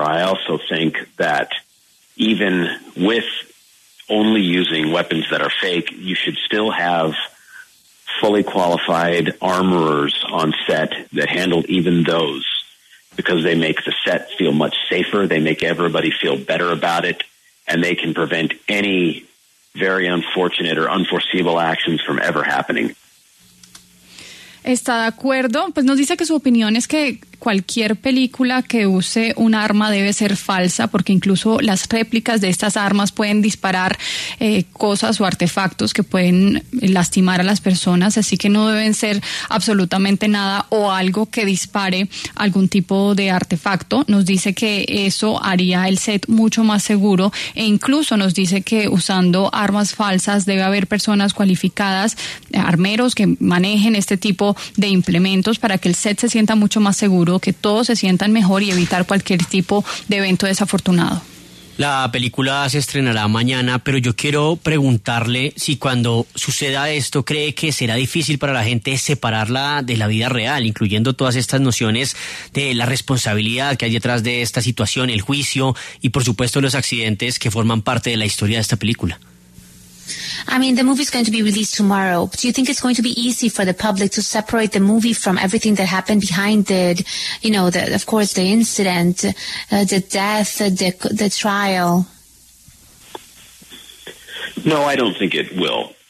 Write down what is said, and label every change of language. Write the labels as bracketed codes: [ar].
[en] I also think that even with only using weapons that are fake, you should still have fully qualified armorers on set that handle even those, because they make the set feel much safer, they make everybody feel better about it, and they can prevent any very unfortunate or unforeseeable actions from ever happening. [es] Está de acuerdo, pues nos dice que su opinión es que cualquier película que use un arma debe ser falsa, porque incluso las réplicas de estas armas pueden disparar cosas o artefactos que pueden lastimar a las personas, así que no deben ser absolutamente nada o algo que dispare algún tipo de artefacto. Nos dice que eso haría el set mucho más seguro, e incluso nos dice que usando armas falsas debe haber personas cualificadas, armeros que manejen este tipo de implementos, para que el set se sienta mucho más seguro, que todos se sientan mejor y evitar cualquier tipo de evento desafortunado. La película se estrenará mañana, pero yo quiero preguntarle si cuando suceda esto, ¿cree que será difícil para la gente separarla de la vida real, incluyendo todas estas nociones de la responsabilidad que hay detrás de esta situación, el juicio y, por supuesto, los accidentes que forman parte de la historia de esta película? [en] I mean, the movie's going to be released tomorrow. Do you think it's going to be easy for the public to separate the movie from everything that happened behind it? You know, the, of course, the incident, the death, the trial. No, I don't think it will.